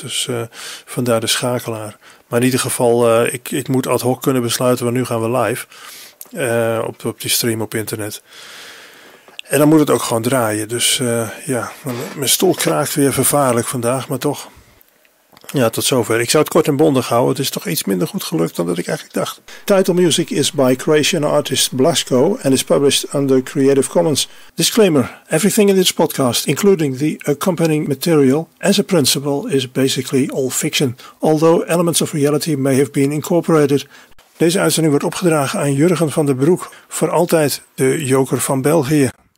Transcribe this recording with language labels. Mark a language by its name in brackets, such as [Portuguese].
[Dutch] Dus vandaar de schakelaar. Maar in ieder geval, ik moet ad hoc kunnen besluiten, want nu gaan we live op die stream op internet. En dan moet het ook gewoon draaien. Dus mijn stoel kraakt weer vervaarlijk vandaag, maar toch. Ja, tot zover. Ik zou het kort en bondig houden. Het is toch iets minder goed gelukt dan dat ik eigenlijk dacht. [English] Title music is by Croatian artist Blasco and is published under Creative Commons. Disclaimer, everything in this podcast, including the accompanying material, as a principle, is basically all fiction. Although elements of reality may have been incorporated. [Dutch] Deze uitzending wordt opgedragen aan Jurgen van den Broek, voor altijd de Joker van België.